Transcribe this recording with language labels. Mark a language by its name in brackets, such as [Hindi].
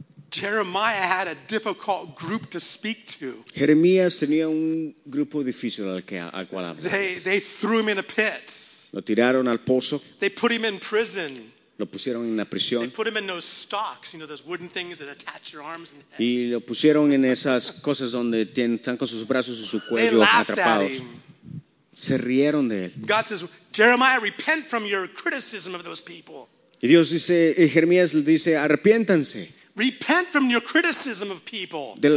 [English] Jeremiah had a difficult group to speak to. [Spanish] Jeremías tenía un grupo difícil al cual hablar. [English] They threw him in a pit. [Spanish] Lo tiraron al pozo. [English] They put him in prison. [Spanish] Lo pusieron en la prisión. [English] They put him in those stocks, you know, those wooden things that attach your arms and head. [Spanish] Y lo pusieron en esas cosas donde tienen están con sus brazos y su cuello atrapados. Se rieron de él. [English] God says, Jeremiah, repent from your criticism of those people. [Spanish] Y Dios dice, y Jeremías le dice, arrepiéntanse. [English] Repent from your criticism of people.